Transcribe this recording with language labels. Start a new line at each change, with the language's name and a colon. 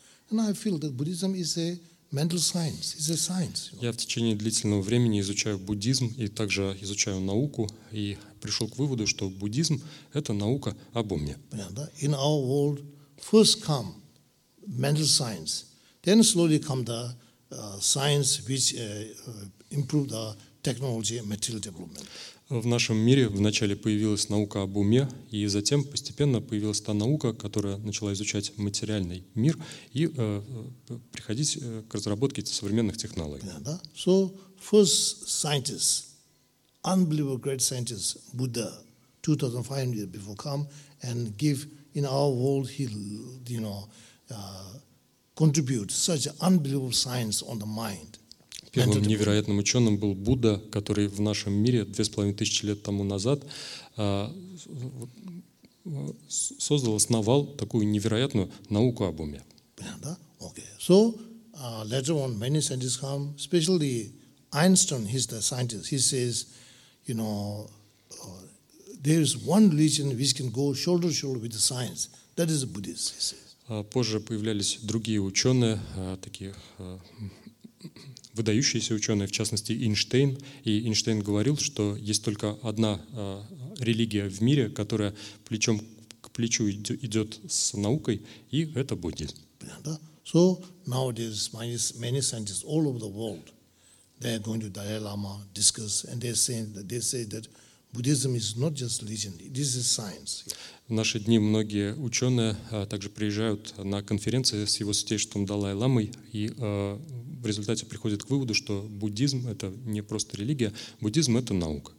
English: And I feel that Buddhism is a mental science. It's a science.
Russian: Я в течение длительного времени изучаю буддизм и также изучаю науку и пришел к выводу, что буддизм — это наука об уме. Понятно?
English: In our world, first come mental science, then slowly come the science which improve the technology and material development.
Russian: В нашем мире вначале появилась наука об уме, и затем постепенно появилась та наука, которая начала изучать материальный мир и приходить к разработке современных технологий. Yeah, да?
English: So first scientists, unbelievable great scientists, Buddha, 2500 years before come and give in our world, he, you know, contribute such unbelievable science on the mind.
Russian: Первым невероятным ученым был Будда, который в нашем мире 2500 лет тому назад создал, основал такую невероятную науку об уме. Понятно? Okay.
English: So, later on, many scientists come, especially Einstein, he's the scientist, he says, you know, there is one religion which can go shoulder to shoulder with the science. That is Buddhism, he says.
Russian: Позже появлялись другие ученые, такие выдающиеся ученые, в частности Эйнштейн. И Эйнштейн говорил, что есть только одна религия в мире, которая плечом к плечу идет с наукой, и это буддизм.
English: So nowadays many scientists all over the world, they are going to Dalai Lama discuss, and they say that Buddhism is not just religion, it is a science.
Russian: В наши дни многие ученые также приезжают на конференции с его святейшеством Далай-ламой и в результате приходят к выводу, что буддизм — это не просто религия, буддизм — это наука.